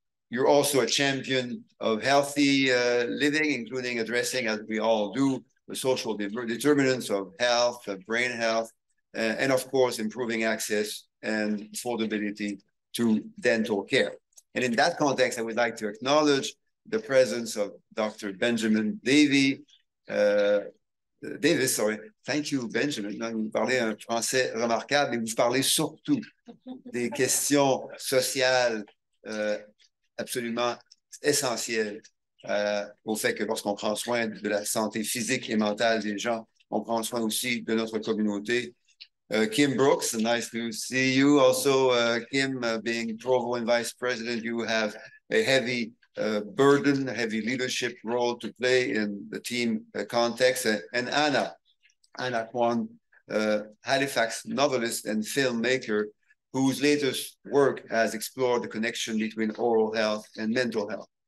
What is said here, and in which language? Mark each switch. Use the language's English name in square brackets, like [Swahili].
[English] You're also a champion of healthy living, including addressing, as we all do, the social determinants of health, of brain health, and of course, improving access and affordability to dental care. And in that context, I would like to acknowledge the presence of Dr. Benjamin Davis. Sorry, thank you, Benjamin. [French] Vous parlez un français remarquable, mais vous parlez surtout des questions sociales absolument essentielles au fait que lorsqu'on prend soin de la santé physique et mentale des gens, on prend soin aussi de notre communauté. [English] Kim Brooks, nice to see you. Also, Kim, being provost and vice president, you have a heavy burden, a heavy leadership role to play in the team context. And Anna Quon, Halifax novelist and filmmaker, whose latest work has explored the connection between oral health and mental health.